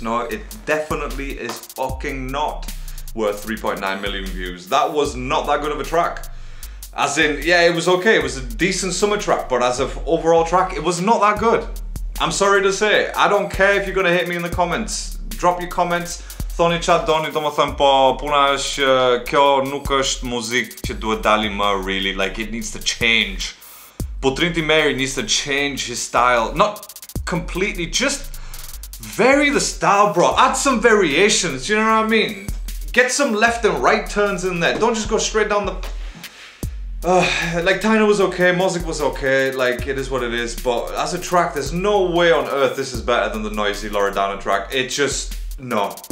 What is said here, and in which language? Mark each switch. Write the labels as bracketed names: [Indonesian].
[English] No, it definitely is fucking not worth 3.9 million views. That was not that good of a track. As in, yeah, it was okay. It was a decent summer track, but as an overall track, it was not that good. I'm sorry to say. I don't care if you're gonna hit me in the comments. Drop your comments. [Albanian] Thoni qatë doni, do më thëmë po, puna është, kjo nuk është muzikë që duhet dali më, [English] really, like, it needs to change. Butrint Imeri needs to change his style, not completely, just vary the style, bro, add some variations, you know what I mean? Get some left and right turns in there, don't just go straight down the... Like, Tayna was okay, Mozzik was okay, like, it is what it is, but as a track, there's no way on earth this is better than the noisy Loredana track, it just, no.